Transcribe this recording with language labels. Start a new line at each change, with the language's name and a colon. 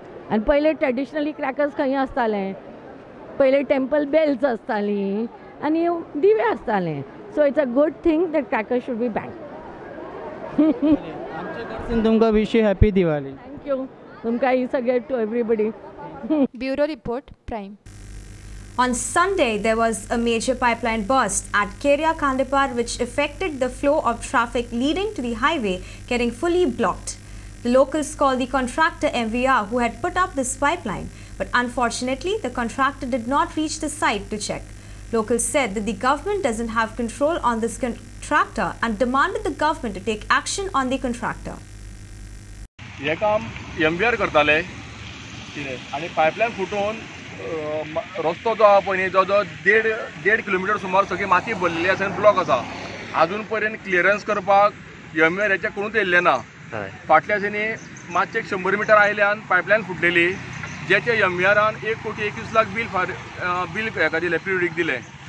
Konkani: आणि पहिले traditionally crackers खं असताले, पहिले टेम्पल बेल्स असताली आणि दिवे असताले.
English: So it's a good thing that crackers should be ban.
Konkani: तुमका
English: Wish you happy Diwali. Thank you
Konkani: तुमका ही सगळे
English: To everybody. Bureau report prime. On Sunday, there was a major pipeline burst at Kheria Kandipar, which affected the flow of traffic leading to the highway getting fully blocked. The locals called the contractor MVR who had put up this pipeline, but unfortunately, the contractor did not reach the site to check. Locals said that the government doesn't have control on this contractor and demanded the government to take action on the contractor.
Konkani: ये काम MVR करताले आणि पाईपलाईन फुटून रस्तो जो आहा पण जो जो देड किलोमीटर सुमार सगळी माती भरलेली असा आणि ब्लॉक असा. अजून पर्यंत क्लिअरन्स करपाक MVR याच्या कोणूच येले ना. फाटल्या दिसांनी मातशे 100 मीटर आयल्यान पाईपलाईन फुटलेली, ज्याच्या MVR-न 1,21,00,000 बील हेका दिले, पिरियडीक दिले.